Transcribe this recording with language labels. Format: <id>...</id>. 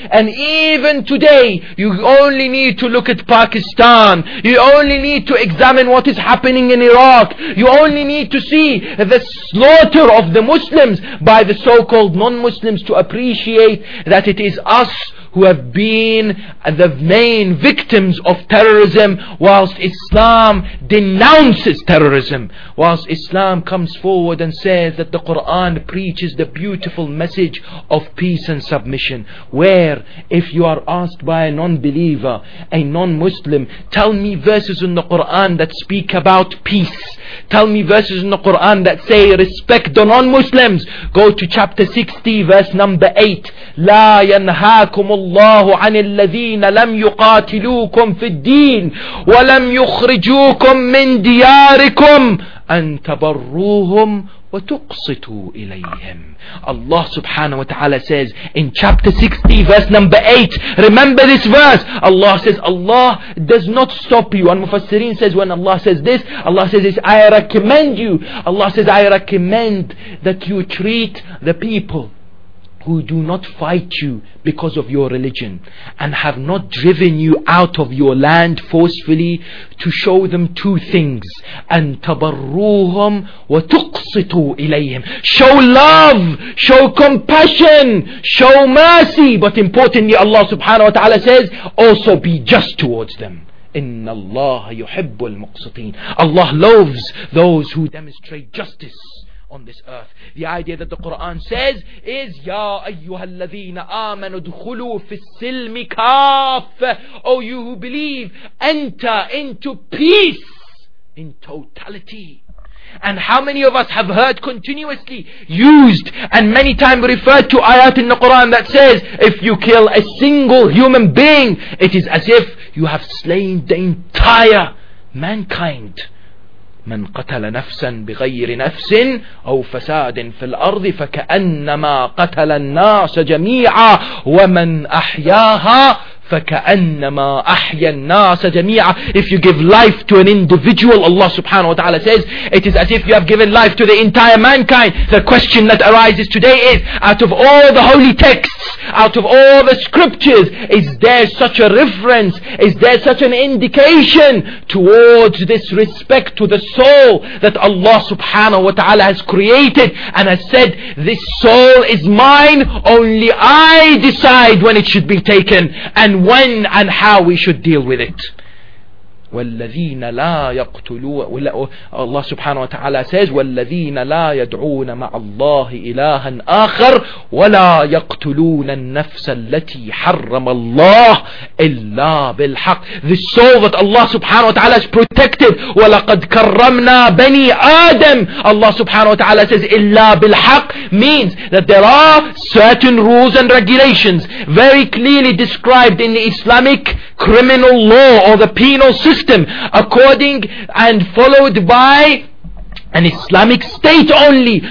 <en>And even today, you only need to look at Pakistan, you only need to examine what is happening in Iraq, you only need to see the slaughter of the Muslims by the so-called non-Muslims to appreciate that it is us who have been the main victims of terrorism, whilst Islam denounces terrorism, whilst Islam comes forward and says that the Quran preaches the beautiful message of peace and submission. Where, if you are asked by a non-believer, a non-Muslim, tell me verses in the Quran that speak about peace. Tell me verses in the Quran that say respect the non-Muslims. Go to chapter 60, verse number 8.</en> <ar>لا ينهاكم الله عن الذين لم يقاتلوكم في الدين ولم يخرجوكم من دياركم أن تبروهم وتقسطوا إليهم.</ar> <en>Allah subhanahu wa ta'ala says in chapter 60, verse number 8, remember this verse. Allah says, Allah does not stop you. And Mufassirin says, when Allah says this, Allah says this, I recommend you. Allah says, I recommend that you treat the people who do not fight you because of your religion and have not driven you out of your land forcefully, to show them two things:</en> <ar>أَن تَبَرُّوهُمْ وَتُقْصِتُوا إِلَيْهِمْ.</ar> <en>Show love, show compassion, show mercy. But importantly, Allah subhanahu wa ta'ala says, also be just towards them.</en> <ar>إِنَّ اللَّهَ يُحِبُّ الْمُقْسِطِينَ.</ar> <en>Allah loves those who demonstrate justice on this earth. The idea that the Quran says is,</en> <ar>يَا أَيُّهَا الَّذِينَ آمَنُوا ادْخُلُوا فِي السِّلْمِ كَافَّ.</ar> <en>O you who believe, enter into peace in totality. And how many of us have heard continuously used and many times referred to ayat in the Quran that says, if you kill a single human being, it is as if you have slain the entire mankind.</en> <ar>من قتل نفسا بغير نفس أو فساد في الأرض فكأنما قتل الناس جميعا ومن أحياها فكأنما أحيا الناس جميعا.</ar> <en>If you give life to an individual, Allah subhanahu wa ta'ala says, it is as if you have given life to the entire mankind. The question that arises today is, out of all the holy texts, out of all the scriptures, is there such a reference, is there such an indication towards this respect to the soul that Allah subhanahu wa ta'ala has created and has said, this soul is mine, only I decide when it should be taken and when and how we should deal with it.</en> <ar>وَالَّذِينَ لَا يَقْتُلُونَ, Allah subhanahu wa ta'ala</ar> <en>says,</en> <ar>وَالَّذِينَ لَا يَدْعُونَ مَعَ اللَّهِ إِلَهًا آخَرَ وَلَا يَقْتُلُونَ النَّفْسَ الَّتِي حَرَّمَ اللَّهُ إِلَّا بِالْحَقِّ.</ar> <en>The soul that Allah subhanahu wa ta'ala has protected,</en> <ar>وَلَقَدْ كَرَّمْنَا بَنِي آدَمَ,</ar> <en>Allah subhanahu wa ta'ala says,</en> <ar>إِلَّا بِالْحَقِّ,</ar> <en>means that there are certain rules and regulations very clearly described in the Islamic criminal law or the penal system, according and followed by an Islamic state only.</en>